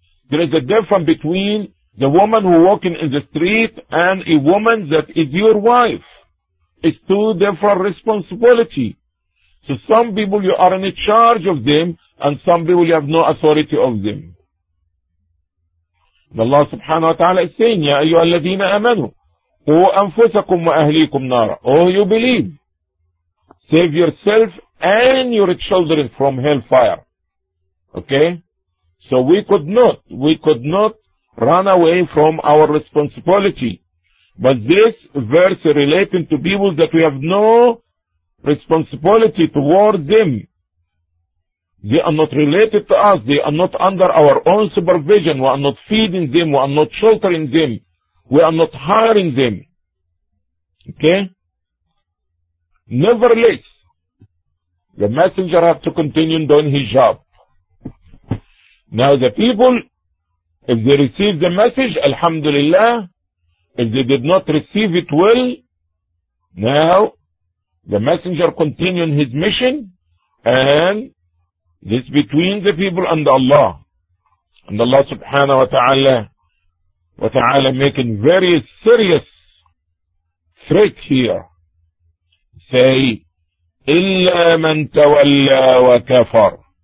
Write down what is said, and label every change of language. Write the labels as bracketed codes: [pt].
[en] There is a difference between the woman who walking in the street and a woman that is your wife. It's two different responsibilities. So some people you are in charge of them, and some people you have no authority of them. Allah subhanahu wa ta'ala is saying, [ar] يَا أَيُّهَا الَّذِينَ أَمَنُوا قُوا أَنفُسَكُمْ وَأَهْلِيكُمْ نَارًا. [en] Oh, you believe. Save yourself and your children from hellfire. Okay? So we could not run away from our responsibility. But this verse relating to people that we have no responsibility toward them, they are not related to us, they are not under our own supervision, we are not feeding them, we are not sheltering them, we are not hiring them. Okay? Nevertheless, the messenger has to continue doing his job. Now the people, if they receive the message, alhamdulillah, if they did not receive it well, now the messenger continued his mission, and this between the people and Allah. And Allah subhanahu wa ta'ala making very serious threat here. Say, [ar] إِلَّا مَن تَوَلَّى وَكَفَر.